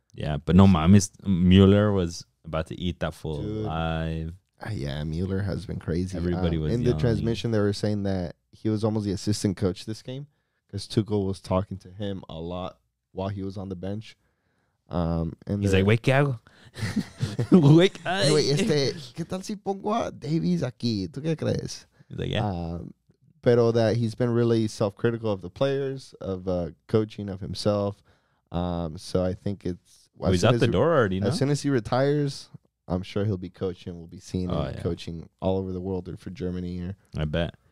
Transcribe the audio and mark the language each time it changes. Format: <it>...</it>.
<en>Yeah, but</en> <es>no, mames,</es> <en>Mueller was about to eat that fool alive. Yeah, Mueller has been crazy. Everybody was in the transmission. They were saying that he was almost the assistant coach this game because Tuchel was talking to him a lot while he was on the bench. And he's like, "Wake up, wake up." Wait,</en> <es>¿qué tal si pongo a Davies aquí? ¿Tú qué crees?</es> <en>He's like, "Yeah." Pero that he's been really self-critical of the players, of coaching, of himself. So I think he's out the door already. As soon as he retires, I'm sure he'll be coaching. We'll be seeing him coaching all over the world or for Germany. I bet.</en>